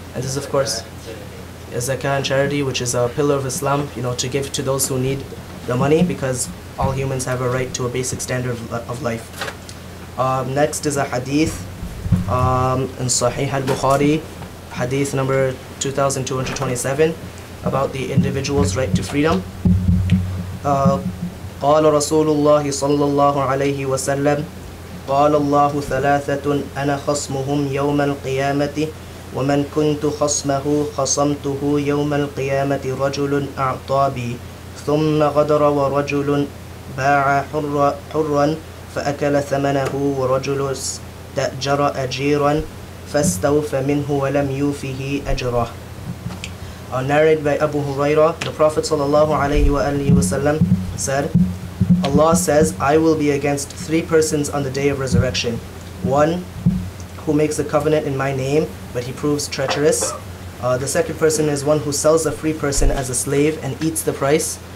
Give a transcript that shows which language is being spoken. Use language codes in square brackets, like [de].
[en] And this is, of course, zakah and charity, which is a pillar of Islam, you know, to give to those who need the money, because all humans have a right to a basic standard of life. Next is a hadith in Sahih al-Bukhari, hadith number 2227, about the individual's right to freedom. [ar] قال رسول الله صلى الله عليه وسلم قال الله ثلاثة أنا خصمهم يوم القيامة ومن كنت خصمه خصمته يوم القيامة رجل أعطى بي ثم غدر ورجل باع حرا فأكل ثمنه ورجل استأجر أجيرا فاستوفى منه ولم يوفه أجره. [en] Narrated by Abu Huraira, the Prophet sallallahu alayhi wa alihi wa sallam said, Allah says, I will be against three persons on the day of resurrection. One, who makes a covenant in my name, but he proves treacherous. The second person is one who sells a free person as a slave and eats the price.